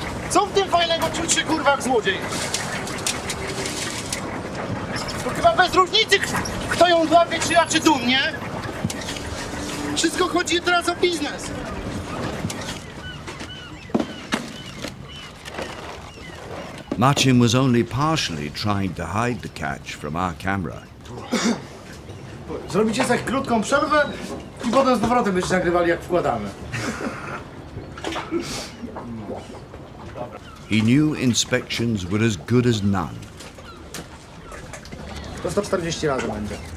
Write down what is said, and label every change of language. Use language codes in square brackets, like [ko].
[pl] Co w tym fajnego czuć się, kurwa, jak złodziej? To chyba bez różnicy, kto ją łapie, czy ja, czy tu, nie? Wszystko chodzi teraz o biznes. [en] Marcin was only partially trying to hide the catch from our camera. [pl] Zrobicie sobie krótką przerwę i potem z powrotem byście nagrywali, jak wkładamy. [en] He knew inspections were as good as none. [pl] To 140 razy będzie.